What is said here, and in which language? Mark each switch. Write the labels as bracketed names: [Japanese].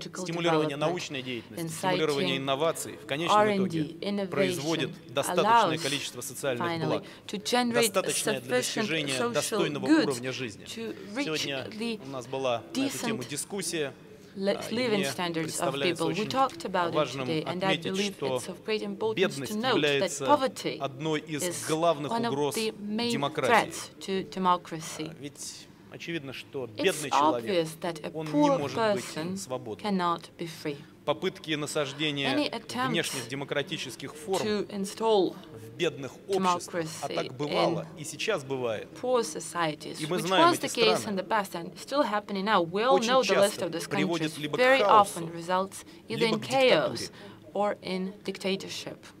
[Russian] Стимулирование научной деятельности, стимулирование инноваций в конечном итоге производит достаточное количество социальных благ, достаточное для достижения достойного уровня жизни. Сегодня у нас была на эту тему дискуссия. [English] Living standards of people. We talked about it today, and I believe it's of great importance to note that poverty is one of the main threats to democracy. It's obvious that a poor person cannot be free. [Russian] Попытки насаждения внешних демократических форм в бедных обществах, а так бывало и сейчас бывает, и мы знаем эти страны, очень часто приводит либо к хаосу, либо к диктатуре.